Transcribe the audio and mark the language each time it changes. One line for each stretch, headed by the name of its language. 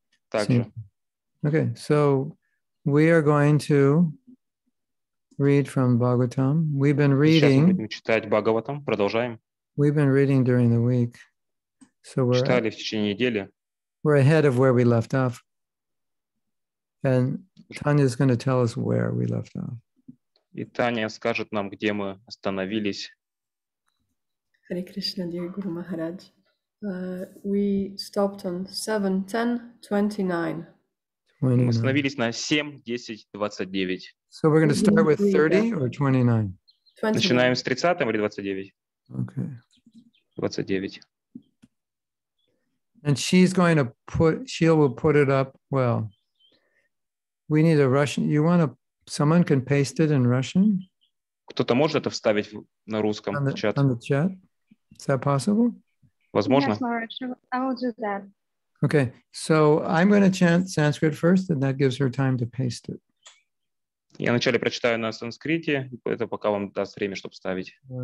Russian: Также.
English: Same. Okay, so we are going to read from Bhagavatam. We've been reading.
Russian: Сейчас мы будем читать Бхагаватам. Продолжаем.
English: We've been reading during the week. So
Russian: читали в течение недели.
English: We're ahead of where we left off. And Tanya is going to tell us where we left off. И Таня скажет нам, где мы остановились. Hare Krishna, dear Guru Maharaj. We stopped on 7:10:29.
Russian: Мы остановились на 7:10:29.
English: So we're going to start with 30 or 29?
Russian: Начинаем с 30 или 29?
English: Okay. 29. And she's going to put, she will put it up, well, we need a Russian, you want to, someone can paste it in Russian?
Russian: Кто-то может это вставить на русском в чат?
English: On the chat? Is that possible?
Russian: Возможно.
English: Yes, Maharaj, I will do that. Okay, so I'm going to chant Sanskrit first, and that gives her time to paste it.
Russian: Я вначале прочитаю на санскрите, это пока вам даст время, чтобы вставить.